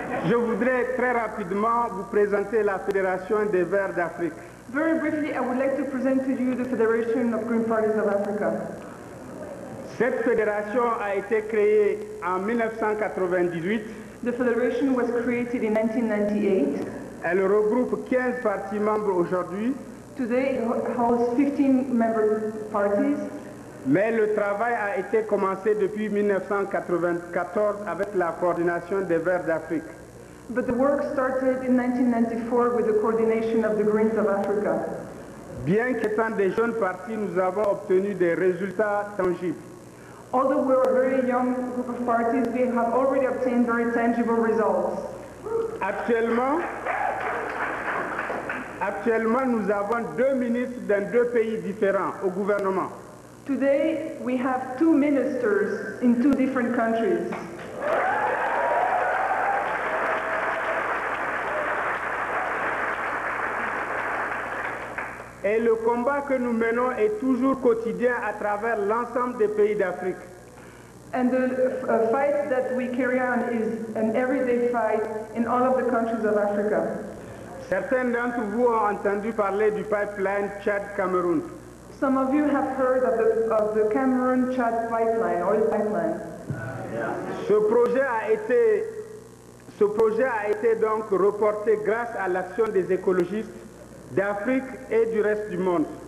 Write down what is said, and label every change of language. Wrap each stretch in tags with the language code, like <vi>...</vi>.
<fr>Je voudrais très rapidement vous présenter la Fédération des Verts d'Afrique.</fr> <en>Very briefly, I would like to present to you the Federation of Green Parties of Africa.</en> <fr>Cette fédération a été créée en 1998.</fr> <en>The Federation was created in 1998.</en> <fr>Elle regroupe 15 partis membres aujourd'hui.</fr> <en>Today it holds 15 member parties.</en> <fr>Mais le travail a été commencé depuis 1994 avec la coordination des Verts d'Afrique.</fr> <en>But the work started in 1994 with the coordination of the Greens of Africa.</en> <fr>Bien qu'étant des jeunes partis, nous avons obtenu des résultats tangibles.</fr> <en>Although we are a very young group of parties, we have already obtained very tangible results.</en> <fr>Actuellement, nous avons deux ministres dans deux pays différents au gouvernement.</fr> <en>Today, we have two ministers in two different countries.</en> <fr>Et le combat que nous menons est toujours quotidien à travers l'ensemble des pays d'Afrique.</fr> <en>And the fight that we carry on is an everyday fight in all of the countries of Africa.</en> <fr>Certains d'entre vous ont entendu parler du pipeline Tchad-Cameroun.</fr> <en>Some of you have heard of the Cameroon-Tchad pipeline, oil pipeline.</en> <fr>Ce projet a été donc reporté grâce à l'action des écologistes d'Afrique et du reste du monde.</fr>